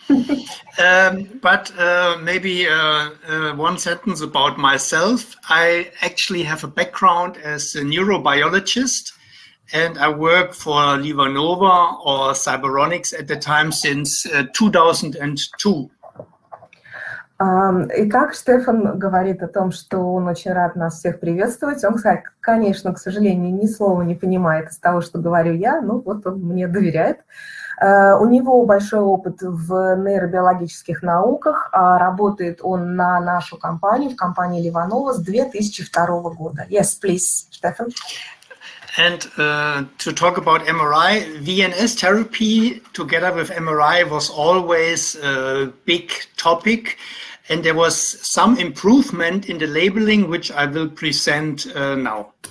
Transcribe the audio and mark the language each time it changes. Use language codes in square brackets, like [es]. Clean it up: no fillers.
[en] one sentence about myself. I actually have a background as a neurobiologist, and I work for LivaNova or Cyberonics at the time since 2002. [ru] Итак, Штефан говорит о том, что он очень рад нас всех приветствовать. Он, конечно, к сожалению, ни слова не понимает из того, что говорю я, но вот он мне доверяет. У него большой опыт в нейробиологических науках, работает он на нашу компанию, в компании Ливанова с 2002 года. [en] Yes, please, Штефан. And to talk about MRI, VNS therapy together with MRI was always a big topic. And there was some improvement in the labeling, which I will present now.